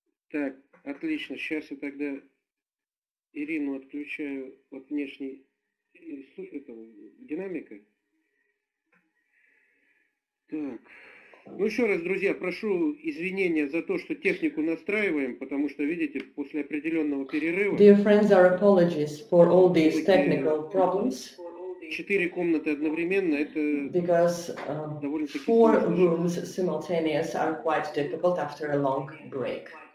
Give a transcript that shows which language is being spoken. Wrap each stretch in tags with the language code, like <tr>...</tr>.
<ru>Так, отлично, сейчас я тогда Ирину отключаю от внешней этого, динамика. Так. Ну еще раз, друзья, прошу извинения за то, что технику настраиваем, потому что, видите, после определенного перерыва...</ru> <en>Dear friends, our apologies for all these technical problems.</en> <ru>Четыре комнаты одновременно, это довольно-таки...</ru> <en>Four rooms simultaneous are quite difficult after a long break.</en>